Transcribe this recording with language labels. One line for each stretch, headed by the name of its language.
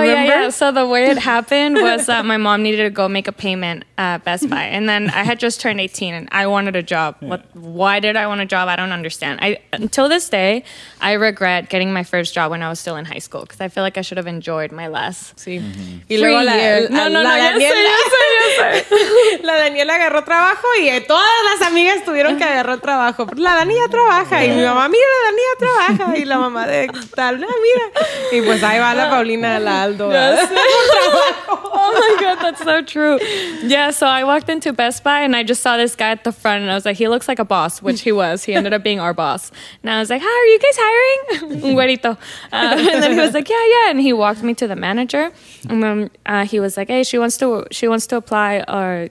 English: remember? Yeah. So the way it happened was that my mom needed to go make a payment at Best Buy, and then I had just turned 18 and I wanted a job. Why did I want a job? I don't understand. I until this day I regret getting my first job when I was still in high school, because I feel like I should have enjoyed my last
Spanish: La Daniela agarró trabajo y todas las amigas tuvieron que agarrar trabajo. La Dani ya trabaja.
English: Yeah.
Spanish: Y mi mamá, mira, la niña trabaja. Y la mamá de tal, no, mira. Y pues ahí va la Paulina de la Aldo.
English: Yes. Oh my God, that's so true. Yeah, so I walked into Best Buy and I just saw this guy at the front and I was like, he looks like a boss, which he was. He ended up being our boss. And I was like, hi, are you guys hiring?
Spanish: Un güerito.
English: And then he was like, yeah, yeah. And he walked me to the manager. And then he was like, hey, she wants to apply.